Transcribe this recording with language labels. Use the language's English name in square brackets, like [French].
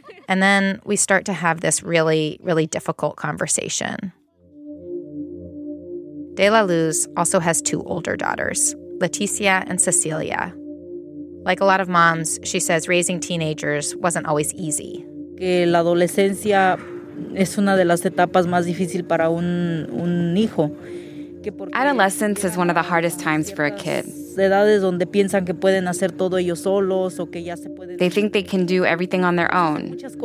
[English] And then we start to have this really, really difficult conversation. De La Luz also has two older daughters, Leticia and Cecilia. Like a lot of moms, she says raising teenagers wasn't always easy. [Spanish] Que la adolescencia es una de las etapas más difícil para un hijo. [English] Adolescence is one of the hardest times for a kid. They think they can do everything on their own.